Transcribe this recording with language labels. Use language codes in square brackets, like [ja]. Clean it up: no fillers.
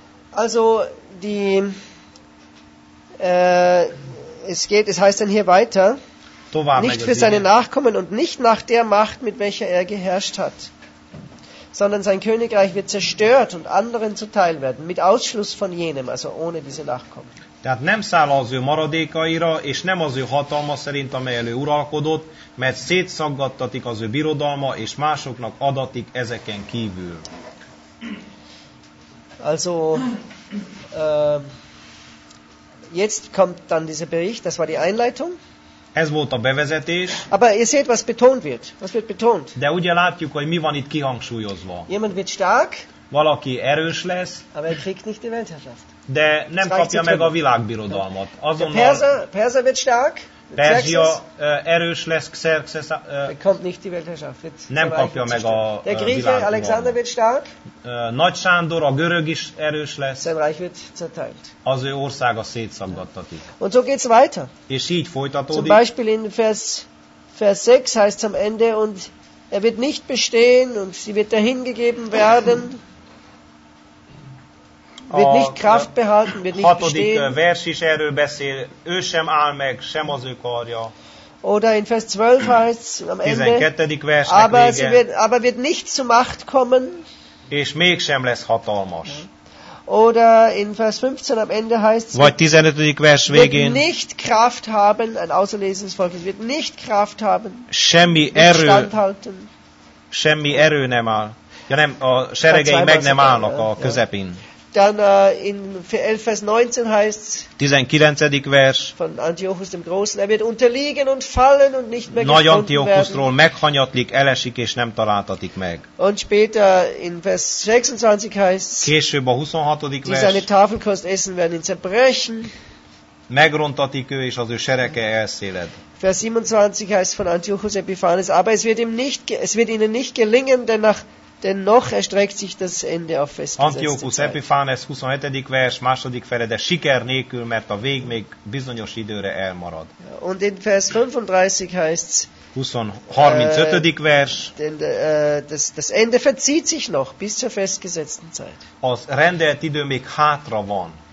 [de] Also die es heißt dann hier weiter. [hu] Tovább [de] nicht für seine Nachkommen und nicht nach der Macht, mit welcher er geherrscht hat. Sondern sein Königreich wird zerstört und anderen zuteil werden, mit Ausschluss von jenem, also ohne diese Nachkommen. [hu] Tehát nem száll az ő maradékaira, és nem az ő hatalma szerint, amelyel ő uralkodott, mert szétszaggattatik az ő birodalma, és másoknak adatik ezeken kívül. [de] Also, Jetzt kommt dann dieser Bericht, das war die Einleitung. [hu] Ez volt a bevezetés. [de] Aber ihr seht, was betont wird. Was wird betont? [hu] De ugye látjuk, hogy mi van itt kihangsúlyozva. [de] Jemand wird stark. [hu] Valaki erős lesz. [de] Aber er kriegt nicht die Weltherrschaft. [hu] De nem kapja meg a világbirodalmat. Azonnal [de] Perzia wird stark. [hu] Perzia erős lesz, Xerxes. [de] Kommt nicht die Weltherrschaft. [hu] Nem kapja meg a világbirodalmat. [de] Der Grieche Alexander wird stark. [hu] Nagy Sándor, a görög is erős lesz. [de] Sein Reich wird zerteilt. [hu] Az ő országa szétszaggattatik. [de] Und so geht's weiter. [hu] És így folytatódik. [de] Zum Beispiel in Vers 6 heißt am Ende und er wird nicht bestehen und sie wird dahingegeben werden. Wird nicht Kraft behalten, wird nicht bestehen. [hu] Vers is erről beszél, ő sem áll meg, sem az ő karja. [de] Oder in Vers 12 heißt es am Ende, aber wird nicht zu Macht kommen. [hu] És mégsem lesz hatalmas. [de] Oder in Vers 15 am Ende heißt es, [hu] vagy 15. vers végén, [de] wird nicht Kraft haben, ein auserlesenes Volk, wird nicht Kraft haben, [hu] semmi erő, [de] standhalten. [hu] Semmi erő nem áll. Ja nem, a seregei meg nem állnak a közepén. [de] Dann in 11 Vers 19 heißt es, [hu] 19. vers, [de] von Antiochus dem Großen, er wird unterliegen und fallen und nicht mehr gefunden werden. [hu] Nagy Antiochusról meghanyatlik, elesik és nem találtatik meg. [de] Und später in Vers 26 heißt es, [hu] később a 26. vers, [de] die seine Tafelkost essen werden ihn zerbrechen. [hu] Megrontatik ő és az ő sereke elszéled. [de] Vers 27 heißt von Antiochus Epiphanes, aber es wird ihnen nicht gelingen, denn nach denn noch erstreckt sich das Ende auf festgesetzte Zeit. [hu] Antiochus Epiphanes 27. vers, második fele, de siker nélkül, mert a vég még bizonyos időre elmarad. [de] Und in Vers 35 heißt es, [hu] 35. vers, [de] das Ende verzieht sich noch bis zur festgesetzten Zeit. [hu] Az rendelt idő még hátra van.